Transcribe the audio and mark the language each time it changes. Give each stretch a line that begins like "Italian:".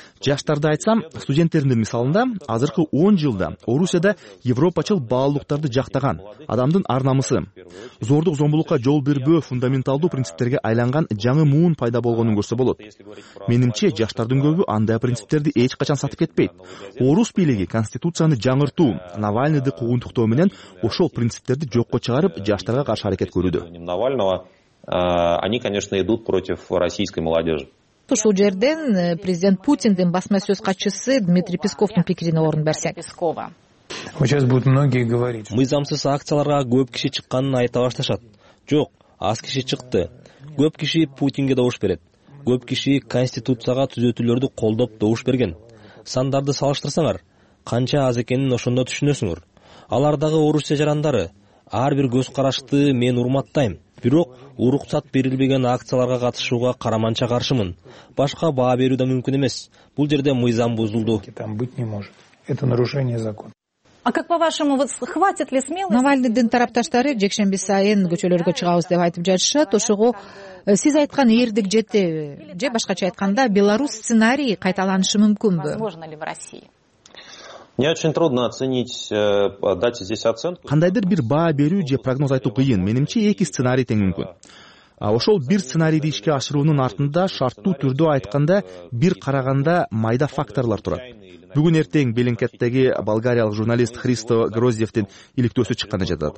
Kyrgyz: Жаштарды айтсам, студенттердин мисалында азыркы 10 жылда Орусияда европачыл баалуулуктарды жактаган адамдын ар-намысы, зордук зомбулукка жол бербөө фундаменталдуу принциптерге айланган жаңы муун пайда болгонун көрсө болот. Менимче, жаштардын көбү андай принциптерди эч качан сатып кетпейт. Орус бийлиги конституцияны жаңыртуу, Навальныйды куугунтуктоо менен ошол принциптерди жокко чыгарып, жаштарга каршы аракет көрүүдө.
Russian: Навального, они, конечно, идут против российской молодежи.
Kyrgyz: Ушул жерден президент Путиндин басма сөз катчысы Дмитрий Песковдун пикирине орун берсек.
Russian: Сейчас будут многие говорить.
Kyrgyz: Мыйзамсыз акцияларга көп киши чыкканын айта башташат. Жок, аз киши чыкты. Көп киши Путинге добуш берет. Көп киши конституцияга түзөтүүлөрдү колдоп добуш берген. Сандарды салыштырсаңар, канча аз экенин ошондо түшүнөсүңөр. Алардагы Орусия жарандары, ар бир көз карашты мен урматтайм. Бирок уруксат берилбеген акцияларга катышууга караманча каршымын. Башка баа берүү да мүмкүн эмес. Бул жерде мыйзам бузулду.
Russian: Это нарушение закона. А как по-вашему, вот хватит ли смелости?
Kyrgyz: Навальныйдын тарапташтары жекшемби сайын көчөлөргө чыгабыз деп айтып жатышат. Ошого сиз айткан эрдик жетеби? Же башкача айтканда, Беларусь сценарий кайталанышы мүмкүнбү?
Russian: Возможно ли в России? Мне очень трудно оценить, дать здесь оценку.
Kyrgyz: Кандайдыр бир баа берүү же прогноз айтуу кыйын. Менимче, эки сценарий тең мүмкүн. Ошол бир сценарийди ишке ашыруунун артында шарттуу түрдө айтканда бир караганда майда факторлор турат. Бүгүн эртең Белинкеттеги болгариялык журналист Христо Гроздевтин иликтөөсү чыкканы жатат.